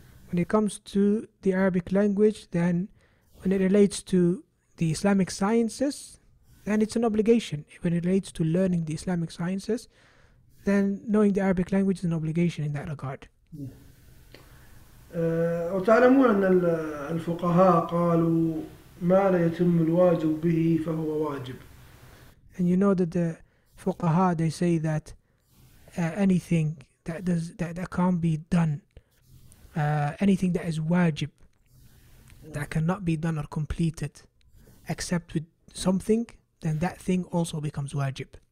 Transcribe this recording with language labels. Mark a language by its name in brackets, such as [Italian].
[English] When it comes to the Arabic language, then when it relates to the Islamic sciences, then it's an obligation. When it relates to learning the Islamic sciences, then knowing the Arabic language is an obligation in that regard. [Arabic] وتعلمون أن الفقهاء قالوا ما لا يتم الواجب به فهو واجب. [English] And you know that the fuqaha, they say that anything that does that can't be done, anything that is wajib, that cannot be done or completed except with something, then that thing also becomes wajib.